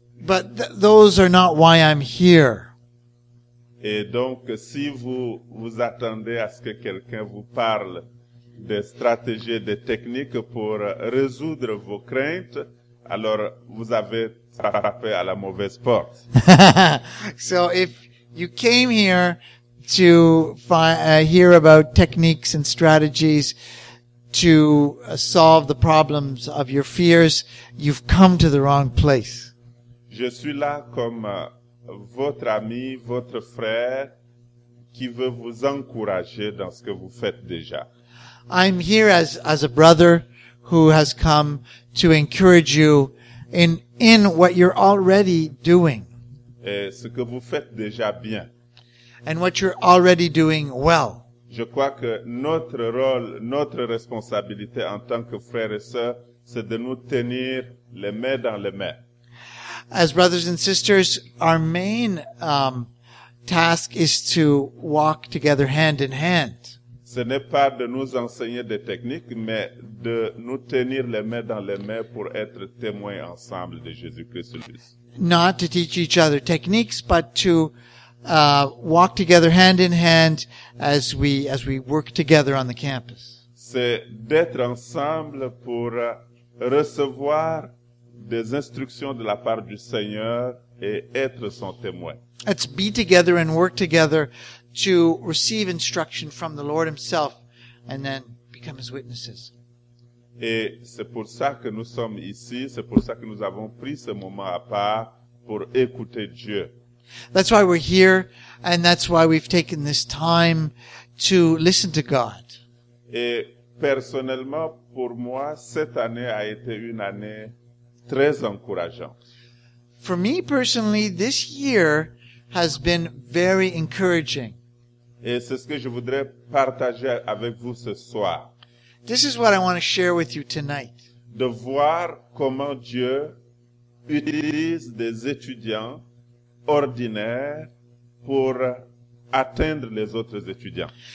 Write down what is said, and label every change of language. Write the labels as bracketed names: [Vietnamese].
[English] But those are not why I'm here. [French] Et donc, si vous attendez à ce que quelqu'un vous parle des stratégies et des techniques pour résoudre vos craintes, alors vous avez frappé à la mauvaise porte. [English] So if you came here to hear about techniques and strategies to solve the problems of your fears, you've come to the wrong place. [French] Je suis là comme votre ami, votre frère, qui veut vous encourager dans ce que vous faites déjà. [English] I'm here as a brother who has come to encourage you in what you're already doing. [French] Et ce que vous faites déjà bien. [English] And what you're already doing well. [French] Je crois que notre rôle, notre responsabilité en tant que frères et sœurs, c'est de nous tenir les mains dans les mains. [English] As brothers and sisters, our main task is to walk together hand in hand. [French] Ce n'est pas de nous enseigner des techniques, mais de nous tenir les mains dans les mains pour être témoins ensemble de Jésus-Christ. [English] Not to teach each other techniques, but to walk together hand in hand as we work together on the campus. [French] C'est d'être ensemble pour recevoir des instructions de la part du Seigneur et être son témoin. [English] Let's be together and work together to receive instruction from the Lord himself and then become his witnesses. [French] Et c'est pour ça que nous sommes ici, c'est pour ça que nous avons pris ce moment à part pour écouter Dieu. [English] That's why we're here and that's why we've taken this time to listen to God. [French] Et personnellement, pour moi, cette année a été une année très encourageant. [English] For me personally, this year has been very encouraging. [French] Et c'est ce que je voudrais partager avec vous ce soir. [English] This is what I want to share with you tonight. [French] De voir comment Dieu utilise des étudiants ordinaires pour atteindre les autres étudiants.